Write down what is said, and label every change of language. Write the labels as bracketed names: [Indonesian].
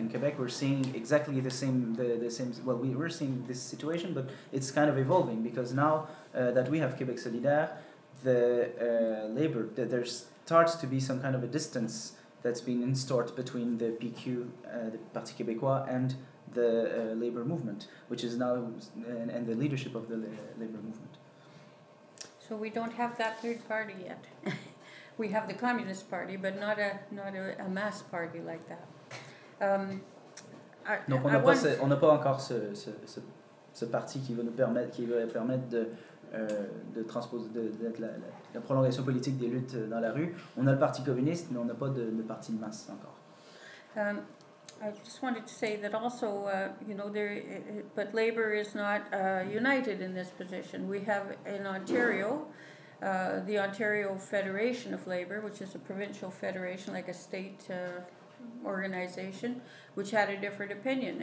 [English] In Quebec, we're seeing exactly the same, well, we're seeing this situation, but it's kind of evolving because now that we have Quebec Solidaire, the labor, there starts to be some kind of a distance that's been instored between the PQ, the Parti Québécois, and the labor movement, which is now, and the leadership of the labor movement. So we don't have that third party yet. We have the Communist Party, but not a mass party like that. [French] Donc on n'a pas ce, on n'a pas encore ce parti qui va nous permettre de transposer d'être la prolongation politique des luttes dans la rue. On a le Parti communiste, mais on n'a pas de parti de masse encore. [English] I just wanted to say that also, you know, there. But Labour is not united in this position. We have in Ontario. The Ontario Federation of Labour, which is a provincial federation, like a state organization, which had a different opinion.